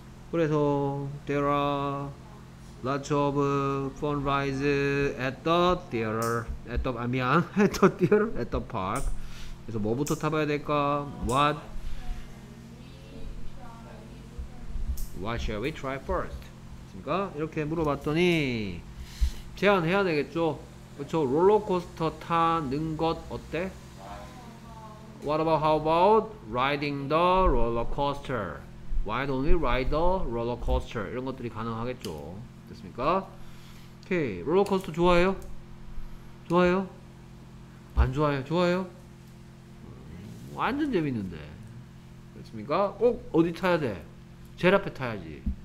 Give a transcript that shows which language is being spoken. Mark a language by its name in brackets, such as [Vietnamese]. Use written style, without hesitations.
[Korean] 그래서 [English] there are lots of fun rides at the theater. At the park. [Korean] 그래서 뭐부터 타봐야 될까? [English] What shall we try first? [Korean] 됐습니까? 이렇게 물어봤더니 제안해야 되겠죠? 그쵸? 롤러코스터 타는 것 어때? [English] What about how about riding the roller coaster? Why don't we ride the roller coaster? [Korean] 이런 것들이 가능하겠죠? 됐습니까? 오케이. 롤러코스터 좋아해요? 좋아해요? 안 좋아해요? 좋아해요? 완전 재밌는데. 됐습니까? 꼭 어디 타야 돼? 제일 앞에 타야지.